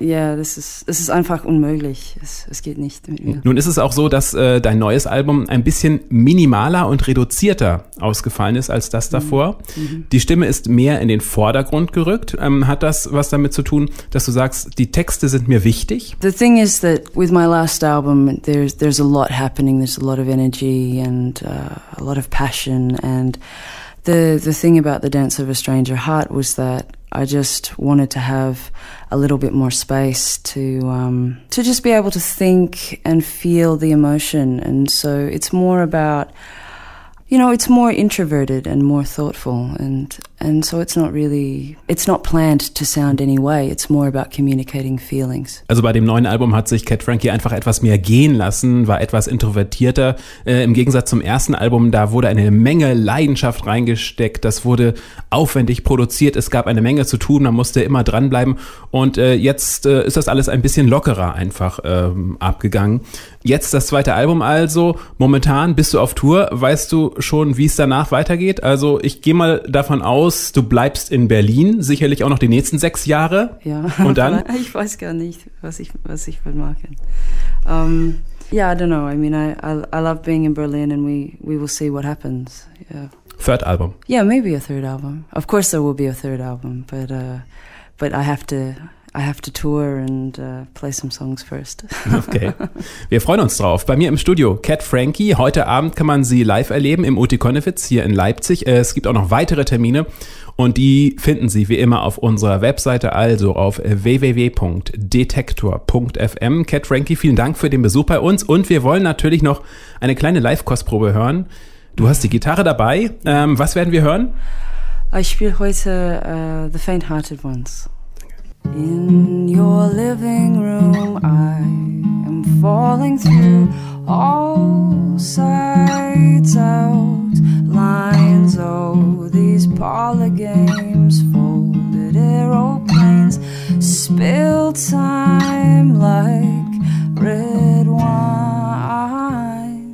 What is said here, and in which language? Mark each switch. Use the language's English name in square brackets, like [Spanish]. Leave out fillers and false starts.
[German] Ja, yeah, das ist einfach unmöglich. Es geht nicht mit mir. Nun ist es auch so, dass dein neues Album ein bisschen minimaler und reduzierter ausgefallen ist als das davor. Mhm. Die Stimme ist mehr in den Vordergrund gerückt. Hat das was damit zu tun, dass du sagst, die Texte sind mir wichtig? [English] The thing is that with my last album, there's a lot happening. There's a lot of energy and a lot of passion, and the thing about the Dance of a Stranger Heart was that I just wanted to have a little bit more space to just be able to think and feel the emotion, and so it's more about, you know, it's more introverted and more thoughtful, and so it's not really, it's not planned to sound any way. It's more about communicating feelings. [German] Also bei dem neuen Album hat sich Cat Frankie einfach etwas mehr gehen lassen, war etwas introvertierter. Im Gegensatz zum ersten Album, da wurde eine Menge Leidenschaft reingesteckt. Das wurde aufwendig produziert. Es gab eine Menge zu tun. Man musste immer dranbleiben. Und jetzt ist das alles ein bisschen lockerer einfach abgegangen. Jetzt das zweite Album also. Momentan bist du auf Tour. Weißt du schon, wie es danach weitergeht? Also ich gehe mal davon aus, du bleibst in Berlin, sicherlich auch noch die nächsten 6 Jahre. Ja, und dann? Ich weiß gar nicht, was ich will machen. [English] Yeah, I don't know. I mean, I love being in Berlin and we will see what happens. Yeah. Third album. Yeah, maybe a third album. Of course there will be a third album, but I have to tour and play some songs first. [German] Okay. Wir freuen uns drauf. Bei mir im Studio Cat Frankie. Heute Abend kann man sie live erleben im Uti Konnewitz hier in Leipzig. Es gibt auch noch weitere Termine und die finden Sie wie immer auf unserer Webseite, also auf www.detektor.fm. Cat Frankie, vielen Dank für den Besuch bei uns und wir wollen natürlich noch eine kleine Live-Kostprobe hören. Du hast die Gitarre dabei. Was werden wir hören? Ich spiele heute The Faint-Hearted Ones. [English] In your living room, I am falling through all sides out lines. Oh, these parlor games, folded aeroplanes, spilled time like red wine.